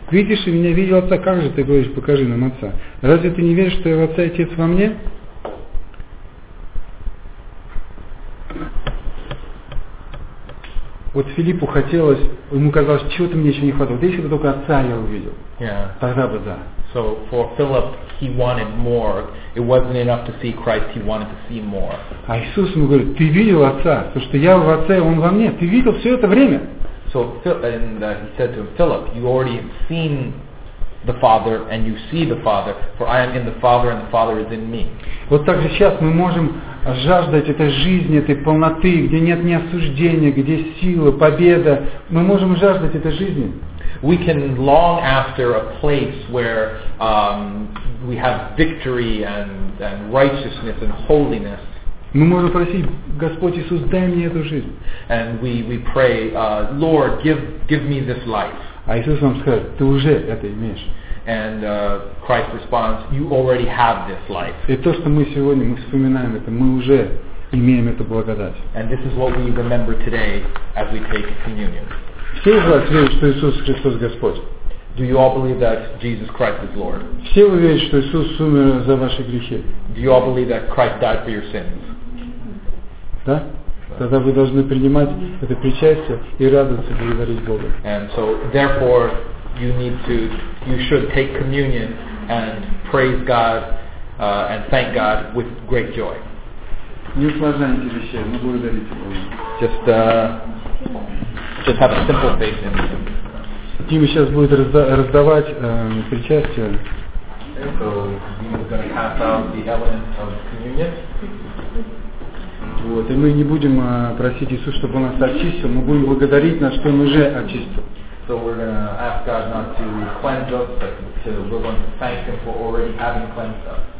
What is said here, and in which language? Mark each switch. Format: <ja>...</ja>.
<ru>Видишь и меня видел Отца, как же ты говоришь, покажи нам Отца? Разве ты не веришь, что я в Отца и Отец во мне?» Вот Филиппу хотелось, ему казалось, чего-то мне еще не хватало. Если бы только Отца я увидел, yeah. Тогда бы да.</ru> <en>So for Philip, he wanted more. It wasn't enough to see Christ, he wanted to see more.</en> <ru>А Иисус ему говорит, ты видел Отца, потому что я в Отце, и Он во мне. Ты видел все это время.</ru> <en>So and he said to him, Philip, you already have seen the Father, and you see the Father, for I am in the Father, and the Father is in me.</en> <ru>Вот так же сейчас мы можем жаждать этой жизни, этой полноты, где нет ни осуждения, где сила, победа. Мы можем жаждать этой жизни.</ru> <en>We can long after a place where we have victory and righteousness and holiness.</en> <ru>Мы можем просить, Господь Иисус, дай мне эту жизнь.</ru> <en>And we pray, Lord, give me this life.</en> <ru>А Иисус вам скажет, ты уже это имеешь.</ru> <en>And Christ responds, you already have this life.</en> <ru>И то, что мы сегодня, мы вспоминаем это, мы уже имеем эту благодать.</ru> <en>And this is what we remember today as we take communion.</en> <ru>Все из вас верят, что Иисус Христос Господь?</ru> <en>Do you all believe that Jesus Christ is Lord?</en> <ru>Все вы верите, что Иисус умер за ваши грехи?</ru> <en>Do you all believe that Christ died for your sins?</en> <ru>Да? Тогда вы должны принимать это причастие и радоваться, благодарить Бога.</ru> <en>And so, therefore, you should take communion and praise God and thank God with great joy.</en> <ru>Не усложняйте вещей, но благодарите Бога.</ru> <en>Just have a simple faith in Him.</en> <ru>Дима сейчас будет раздавать причастие.</ru> <en>So, Dima's going to pass out the elements of communion.</en> <ru>Вот, и мы не будем просить Иисуса, чтобы Он нас очистил, мы будем благодарить, на что Он уже очистил.</ru> <en>So we're going to ask God not to cleanse us, but to, we're going to thank Him for already having cleansed us.</en>